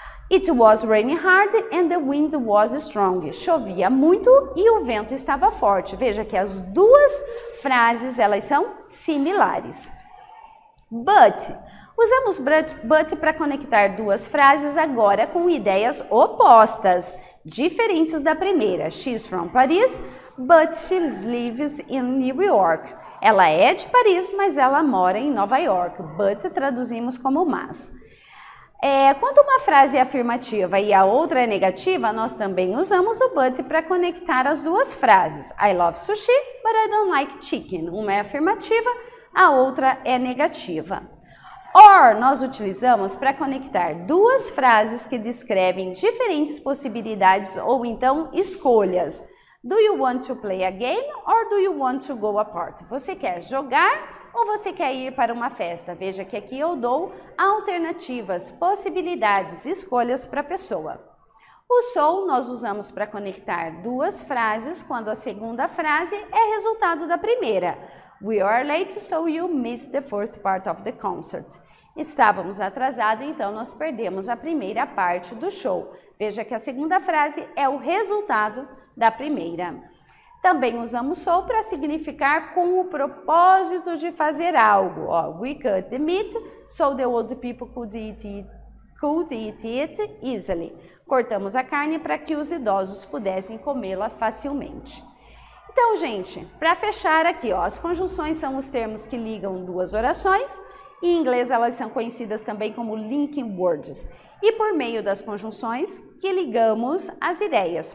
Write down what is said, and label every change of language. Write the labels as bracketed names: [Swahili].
[English] It was raining hard and the wind was strong. [Portuguese] Chovia muito e o vento estava forte. Veja que as duas frases, elas são similares. But. Usamos but para conectar duas frases agora com ideias opostas, diferentes da primeira. [English] She's from Paris, but she lives in New York. [Portuguese] Ela é de Paris, mas ela mora em Nova York. But traduzimos como mas. Quando uma frase é afirmativa e a outra é negativa, nós também usamos o but para conectar as duas frases. [English] I love sushi, but I don't like chicken. [Portuguese] Uma é afirmativa, a outra é negativa. Or nós utilizamos para conectar duas frases que descrevem diferentes possibilidades ou então escolhas. [English] Do you want to play a game or do you want to go apart? [Portuguese] Você quer jogar ou você quer ir para uma festa? Veja que aqui eu dou alternativas, possibilidades, escolhas para a pessoa. O so nós usamos para conectar duas frases quando a segunda frase é resultado da primeira. [English] We are late, so you missed the first part of the concert. [Portuguese] Estávamos atrasados, então nós perdemos a primeira parte do show. Veja que a segunda frase é o resultado da primeira. Também usamos so para significar com o propósito de fazer algo. [English] Ó, we cut the meat, so the old people could eat it easily. [Portuguese] Cortamos a carne para que os idosos pudessem comê-la facilmente. Então, gente, para fechar aqui, ó, as conjunções são os termos que ligam duas orações. Em inglês, elas são conhecidas também como linking words. E por meio das conjunções que ligamos as ideias.